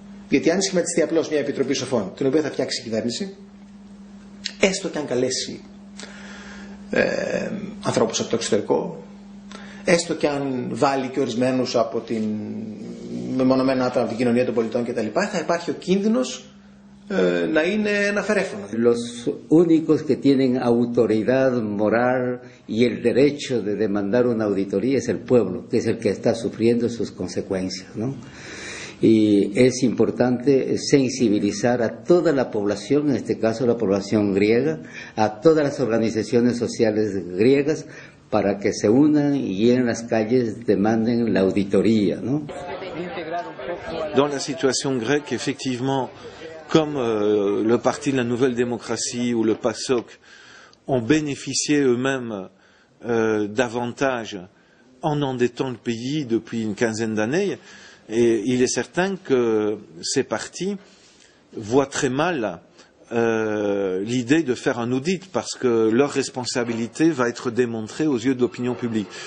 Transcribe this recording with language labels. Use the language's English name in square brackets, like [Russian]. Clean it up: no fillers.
[Greek] Γιατί αν σχηματιστεί απλώς μία επιτροπή σοφών, την οποία θα φτιάξει η κυβέρνηση, έστω και αν καλέσει ανθρώπους από το εξωτερικό, έστω και αν βάλει και ορισμένους από την μεμονωμένα άτομα από την κοινωνία των πολιτών και τα λοιπά, θα υπάρχει ο κίνδυνος να είναι ένα φερέφωνο. [Spanish] Los únicos que tienen autoridad moral y el derecho de demandar una auditoría es el pueblo, que es el que está sufriendo sus consecuencias, ¿no? Y es importante sensibilizar a toda la población, en este caso la población griega, a todas las organizaciones sociales griegas, para que se unan y en las calles demanden la auditoría, ¿no? [French] Dans la situation grecque, effectivement, comme le Parti de la Nouvelle Démocratie ou le PASOK ont bénéficié eux-mêmes d'avantages en endettant le pays depuis une quinzaine d'années, et il est certain que ces partis voient très mal l'idée de faire un audit, parce que leur responsabilité va être démontrée aux yeux de l'opinion publique.